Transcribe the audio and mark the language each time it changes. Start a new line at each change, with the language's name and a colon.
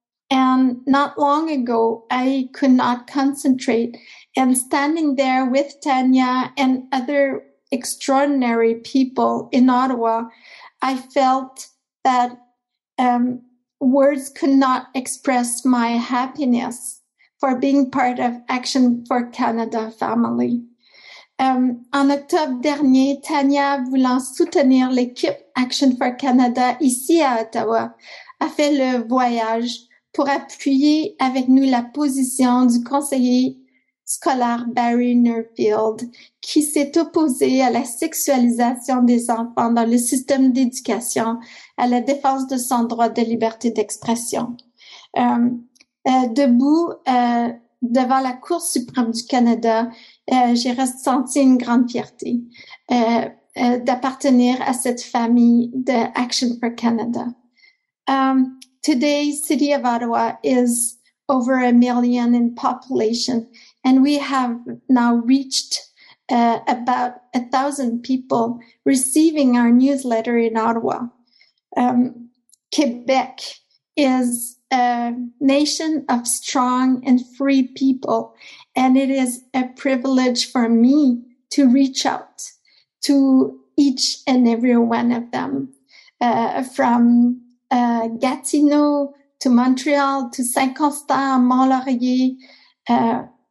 English: And not long ago, I could not concentrate, and standing there with Tanya and other extraordinary people in Ottawa, I felt that words could not express my happiness for being part of Action for Canada family.
French: En octobre dernier, Tanya, voulant soutenir l'équipe Action for Canada ici à Ottawa, a fait le voyage pour appuyer avec nous la position du conseiller scolaire Barry Nurfield, qui s'est opposé à la sexualisation des enfants dans le système d'éducation, à la défense de son droit de liberté d'expression. Debout devant la Cour suprême du Canada, j'ai ressenti une grande fierté d'appartenir à cette famille de Action for Canada.
English: Today, City of Ottawa is over 1 million in population, and we have now reached about 1,000 people receiving our newsletter in Ottawa. Quebec is a nation of strong and free people, and it is a privilege for me to reach out to each and every one of them, from Gatineau to Montreal to Saint-Constant, Mont-Laurier.